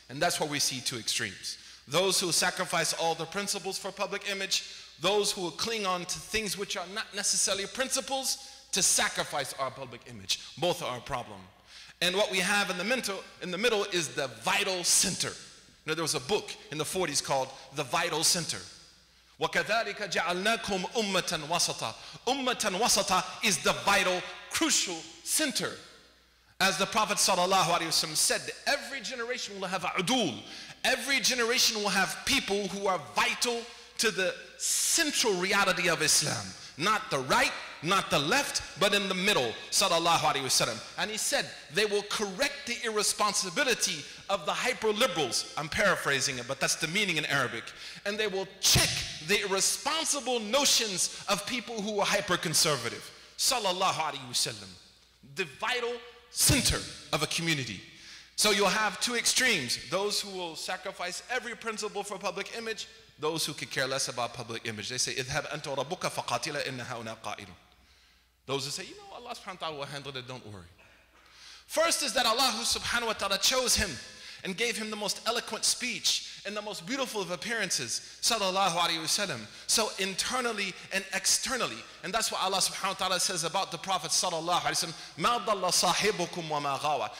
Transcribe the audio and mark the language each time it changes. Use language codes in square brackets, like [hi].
[en] And that's where we see two extremes. Those who sacrifice all the principles for public image, those who will cling on to things which are not necessarily principles to sacrifice our public image. Both are a problem. And what we have in the middle is the vital center. Now, there was a book in the 40s called The Vital Center. [ar] وَكَذَلِكَ جَعَلْنَاكُمْ أُمَّةً وَسَطًا. أُمَّةً وَسَطًا [en] is the vital crucial center. As the Prophet sallallahu alaihi wasallam said, every generation will have udul. Every generation will have people who are vital to the central reality of Islam. Not the right, not the left, but in the middle, sallallahu alaihi wasallam. And he said, they will correct the irresponsibility of the hyper-liberals. I'm paraphrasing it, but that's the meaning in Arabic. And they will check the irresponsible notions of people who are hyper-conservative, sallallahu alaihi wasallam. The vital center of a community. So you'll have two extremes. Those who will sacrifice every principle for public image, those who could care less about public image. They say, [ar] اِذْهَبْ أَنْتَ وَرَبُّكَ فَقَاتِلَ إِنَّهَا هُنَا قَائِلٌ. [en] Those who say, you know, Allah subhanahu wa ta'ala will handle it, don't worry. First is that Allah subhanahu wa ta'ala chose him and gave him the most eloquent speech and the most beautiful of appearances, sallallahu alayhi wa sallam. So internally and externally. And that's what Allah subhanahu wa ta'ala says about the Prophet sallallahu alayhi wa sallam, [ar] مَا ضَلَّ صَاحِبُكُمْ وَمَا غَوَى.